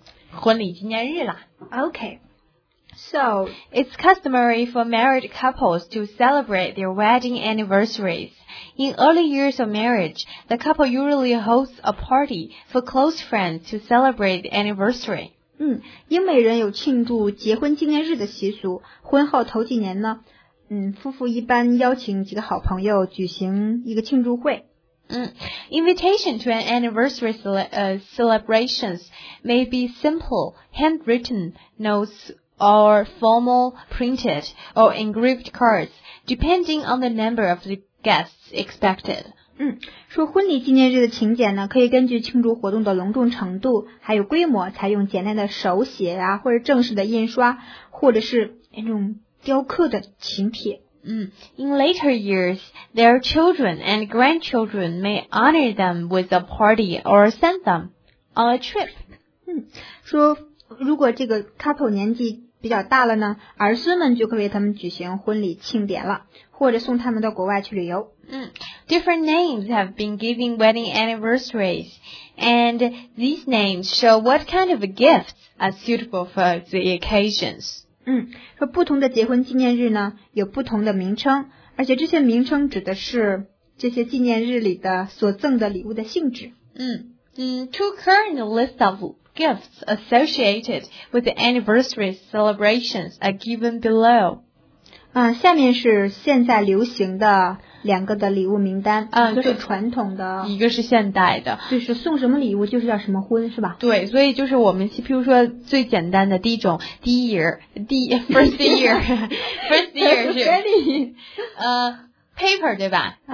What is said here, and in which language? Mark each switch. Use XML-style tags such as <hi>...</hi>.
<zh>婚礼纪念日啦。</zh> <en>Okay, so it's customary for married couples to celebrate their wedding anniversaries. In early years of marriage, the couple usually hosts a party for close friends to celebrate the anniversary.</en> <zh>英美人有庆祝结婚纪念日的习俗，婚后头几年呢，夫妇一般邀请几个好朋友举行一个庆祝会。</zh> <en>Invitation to an anniversary celebrations may be simple handwritten notes or formal printed or engraved cards, depending on the number of the guests expected.</en> <zh>说婚礼纪念日的请柬呢，可以根据庆祝活动的隆重程度，还有规模，采用简单的手写啊，或者正式的印刷，或者是那种雕刻的请帖。</zh> <en>In later years, their children and grandchildren may honor them with a party or send them on a trip.</en> <zh>说如果这个 couple 年纪比较大了呢，儿孙们就可以为他们举行婚礼庆典了，或者送他们到国外去旅游。</zh> <en>Different names have been given wedding anniversaries, and these names show what kind of gifts are suitable for the occasions.</en> <zh>说不同的结婚纪念日呢有不同的名称，而且这些名称指的是这些纪念日里的所赠的礼物的性质。</zh> <en>Two current lists of gifts associated with the anniversary celebrations are given below.</en> <zh>下面是现在流行的两个的礼物名单，就是传统的，一个是现代的，就是送什么礼物就是要什么婚，是吧？对，所以就是我们譬如说最简单的第一种，</zh> <en>first year</en> <zh>是paper 对吧？</zh>